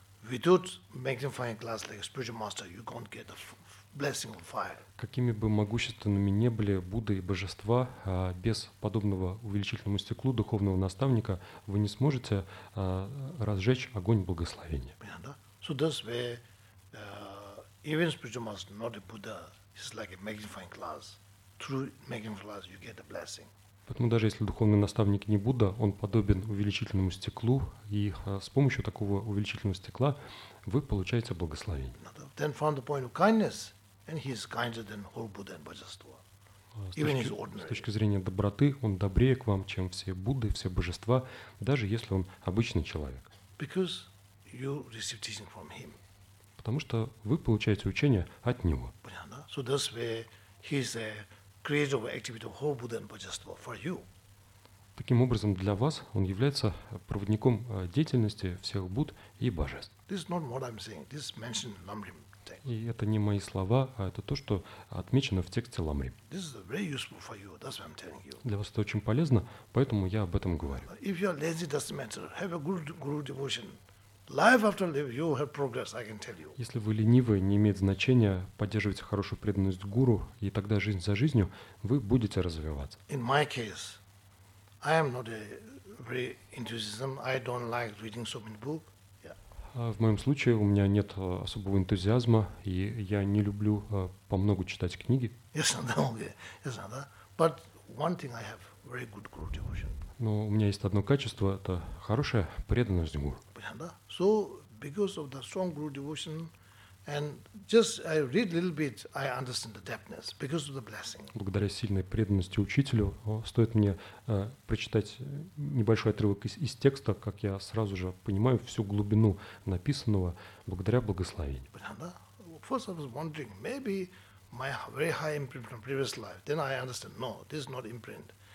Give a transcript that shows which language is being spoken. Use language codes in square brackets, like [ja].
[en] Without magnifying glass like a spiritual master, you can't get the blessing on fire. [ru] Какими бы могущественными не были Будды и Божества, без подобного увеличительному стеклу духовного наставника вы не сможете разжечь огонь благословения. Понятно, да? [en] So this way, even spiritual master, not a Buddha, is like a magnifying glass. Through magnifying glass, you get the blessing. [ru] Поэтому даже если духовный наставник не Будда, он подобен увеличительному стеклу, и с помощью такого увеличительного стекла вы получаете благословение. [en] Then from the point of kindness, and he is kinder than whole Buddha and Bodhisattva. Even his ordinary. [ru] С точки зрения доброты, он добрее к вам, чем все Будды, все Божества, даже если он обычный человек. [en] Because you receive teaching from him. [ru] Потому что вы получаете учение от него. Понятно? [en] So that's where he is a creator of activity of whole Buddha and Bodhisattva for you. [ru] Таким образом, для вас он является проводником деятельности всех Будд и Божеств. [en] This is not what I'm saying. This is mentioned in Lamrim text. [ru] И это не мои слова, а это то, что отмечено в тексте Ламрим. [en] This is very useful for you. That's why I'm telling you. [ru] Для вас это очень полезно, поэтому я об этом говорю. [en] If you are lazy, doesn't matter. Have a good guru devotion. Life after life, you have progress, I can tell you. [ru] Если вы ленивы, не имеет значения, поддерживайте хорошую преданность гуру, и тогда жизнь за жизнью, вы будете развиваться. [en] In my case, I am not a very enthusiasm. I don't like reading so many books. Yeah. [ru] В моем случае у меня нет особого энтузиазма, и я не люблю по много читать книги. [en] Yes, no, okay. Yes, no, that. But one thing I have, very good guru devotion. [ru] Но у меня есть одно качество, это хорошая преданность гуру. [en] So because of the strong guru devotion, and just I read a little bit, I understand the depthness because of the blessing. [ru] Благодаря сильной преданности учителю, стоит мне прочитать небольшой отрывок из текста, как я сразу же понимаю всю глубину написанного благодаря благословению. [en] First I was wondering, maybe my very high imprint from previous life, then I understand, no, this is not imprint.